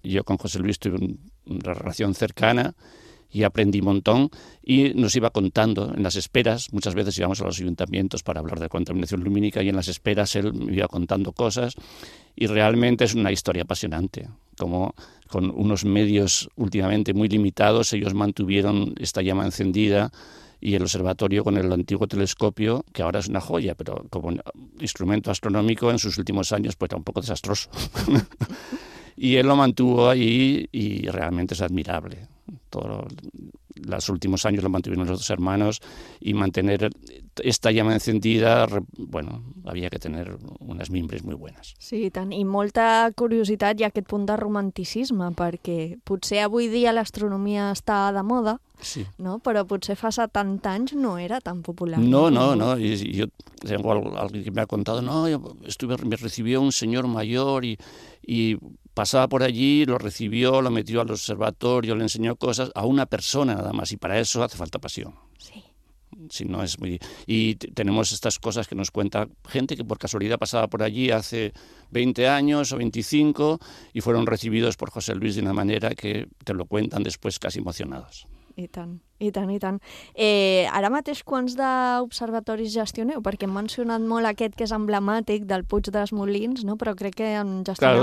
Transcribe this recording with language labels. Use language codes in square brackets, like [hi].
[es] Yo con José Luis tuve una relación cercana y aprendí un montón, y nos iba contando en las esperas, muchas veces íbamos a los ayuntamientos para hablar de contaminación lumínica, y en las esperas él me iba contando cosas, y realmente es una historia apasionante, como con unos medios últimamente muy limitados, ellos mantuvieron esta llama encendida, y el observatorio con el antiguo telescopio, que ahora es una joya, pero como un instrumento astronómico en sus últimos años, pues era un poco desastroso. Y él lo mantuvo ahí, y realmente es admirable. Los últimos años lo mantuvieron los dos hermanos, y mantener esta llama encendida, había que tener unas mimbres muy buenas. [ca] Sí, tant. I molta curiositat i aquest punt de romanticisme, perquè potser avui dia l'astronomia està de moda, sí, no? Però potser fa 70 anys no era tan popular. No. [es] Yo tengo alguien que me ha contado, no, me recibió un señor mayor y pasaba por allí, lo recibió, lo metió al observatorio, le enseñó cosas a una persona nada más, y para eso hace falta pasión. Sí. Si no es muy... Y tenemos estas cosas que nos cuenta gente que por casualidad pasaba por allí hace 20 años o 25 y fueron recibidos por José Luis de una manera que te lo cuentan después casi emocionados. [ca] I tant. Ara mateix quants d'observatoris gestioneu? Perquè hem mencionat molt aquest que és emblemàtic del Puig dels Molins, no? Però crec que en gestioneu